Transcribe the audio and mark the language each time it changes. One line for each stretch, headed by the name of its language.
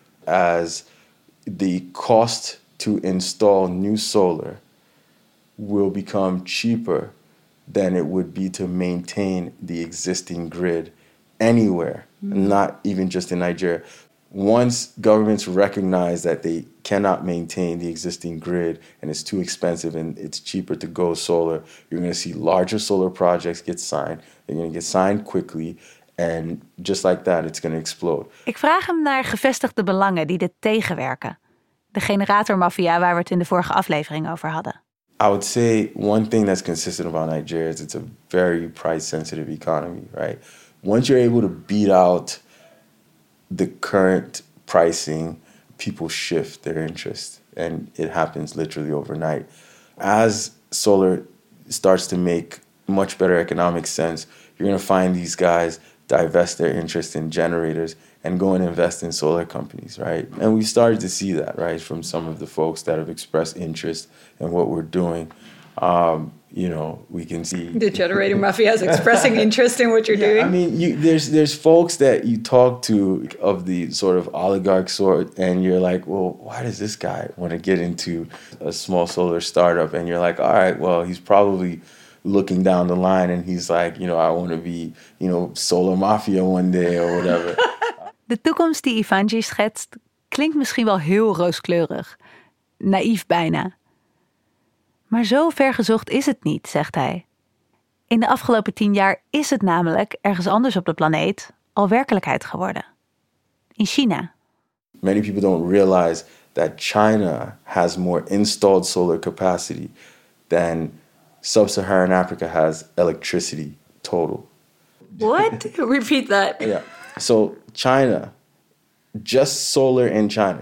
English: As the cost to install new solar will become cheaper than it would be to maintain the existing grid anywhere, not even just in Nigeria. Once governments recognize that they cannot maintain the existing grid and it's too expensive and it's cheaper to go solar, you're going to see larger solar projects get signed. They're going to get signed quickly. En just like that, it's going to explode.
Dutch: Ik vraag hem naar gevestigde belangen die dit tegenwerken. De generatormafia waar we het in de vorige aflevering over hadden.
English: I would say one thing that's consistent about Nigeria is it's a very price-sensitive economy, right? Once you're able to beat out the current pricing, people shift their interest. And it happens literally overnight. As solar starts to make much better economic sense, you're going to find these guys divest their interest in generators and go and invest in solar companies, right? And we started to see that, right, from some of the folks that have expressed interest in what we're doing. You know, we can see the generator mafia is expressing interest in what you're yeah, doing. I mean, there's folks that you talk to of the sort of oligarch sort, and you're like, well, why does this guy want to get into a small solar startup? And you're like, all right, well, he's probably looking down the line and he's like, you know, I want to be, you know, solar mafia one day or whatever.
Dutch: De toekomst die Ifanji schetst klinkt misschien wel heel rooskleurig. Naïef bijna. Maar zo ver gezocht is het niet, zegt hij. In de afgelopen 10 jaar is het namelijk ergens anders op de planeet al werkelijkheid geworden. In China.
English: Many people don't realize that China has more installed solar capacity than Sub-Saharan Africa has electricity total. What? Repeat that. Yeah. So China, just solar in China.